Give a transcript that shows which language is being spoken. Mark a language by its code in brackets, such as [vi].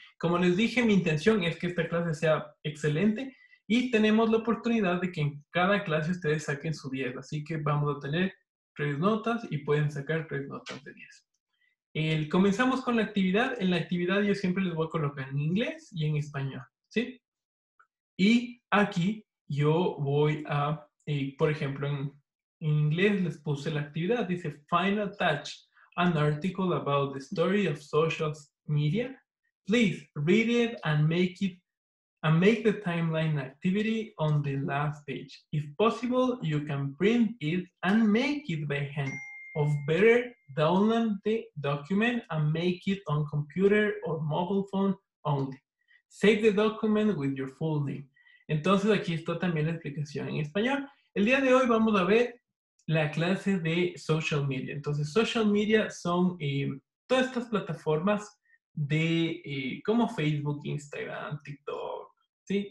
[es] Como les dije, mi intención es que esta clase sea excelente y tenemos la oportunidad de que en cada clase ustedes saquen su 10, así que vamos a tener 3 notas y pueden sacar 3 notas de 10. Comenzamos con la actividad. En la actividad yo siempre les voy a colocar en inglés y en español, ¿sí? Y aquí yo voy a, por ejemplo, en inglés les puse la actividad. Dice, [en] final touch, an article about the story of social media. Please read it and make the timeline activity on the last page. If possible, you can print it and make it by hand. Or better, download the document and make it on computer or mobile phone only. Save the document with your full name. [es] Entonces aquí está también la explicación en español. El día de hoy vamos a ver la clase de social media. Entonces, social media son todas estas plataformas de como Facebook, Instagram, TikTok. ¿Sí?